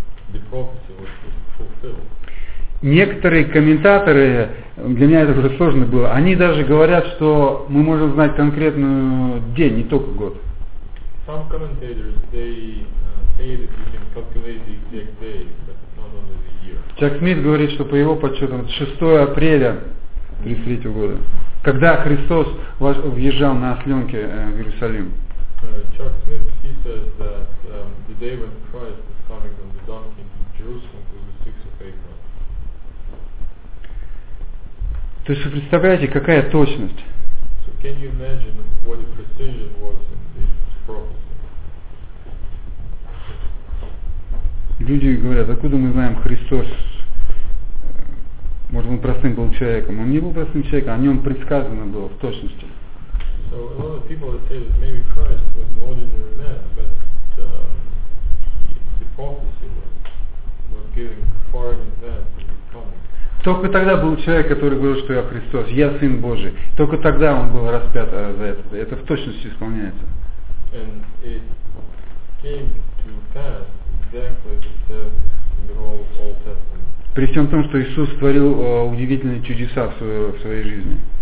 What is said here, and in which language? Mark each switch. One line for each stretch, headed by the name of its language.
English: The prophecy was fulfilled.
Russian: Некоторые комментаторы, для меня это уже сложно было, они даже говорят, что мы можем знать конкретный день, не только год.
English: Some commentators, they say that you can calculate the exact day, but not only the year.
Russian: Чак Смит говорит, что по его подсчетам, 6 апреля 33 года, когда Христос въезжал на осленке в Иерусалим.
English: Chuck Smith, he says that the day when Christ is coming on the donkey to Jerusalem was the 6th of April.
Russian: То есть вы представляете, какая точность?
English: So can you imagine what the precision was in this prophecy?
Russian: Люди говорят, откуда мы знаем Христос? Может, он простым был человеком? Он не был простым человеком, о нем предсказано было в точности.
English: So a lot of people would say that maybe Christ was an ordinary man, but the prophecy was given far in advance of his coming.
Russian: Только тогда был человек, который говорил, что я Христос, я Сын Божий. Только тогда он был распят за это. Это в точности исполняется.
English: And it came to pass exactly as it says in the whole Old Testament.
Russian: При всем том, что Иисус творил удивительные чудеса в своей жизни.